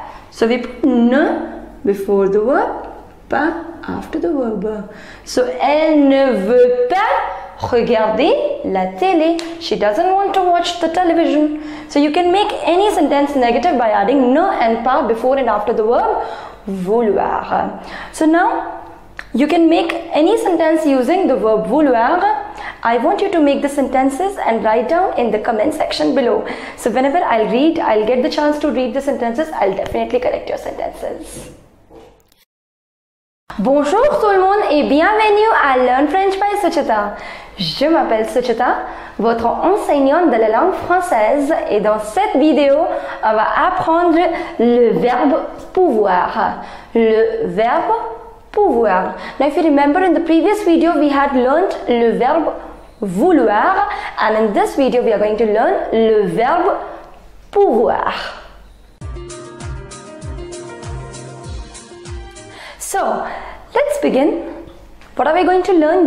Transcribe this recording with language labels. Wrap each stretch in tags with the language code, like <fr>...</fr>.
<en>So we put ne before the verb, pas after the verb.</en> <fr>So elle ne veut pas regarder la télé.</fr> <en>She doesn't want to watch the television. So you can make any sentence negative by adding ne and pas before and after the verb vouloir. So now you can make any sentence using the verb vouloir. I want you to make the sentences and write down in the comment section below. So whenever I'll get the chance to read the sentences, I'll definitely correct your sentences.</en> <fr>Bonjour tout le monde et bienvenue à Learn French by Suchita. Je m'appelle Suchita, votre enseignante de la langue française, et dans cette vidéo, on va apprendre le verbe pouvoir. Le verbe pouvoir.</fr> <en>Now if you remember in the previous video, we had learned</en> <fr>le verbe vouloir,</fr> <en>and in this video we are going to learn</en> <fr>le verbe pouvoir.</fr> <en>So let's begin. What are we going to learn?</en>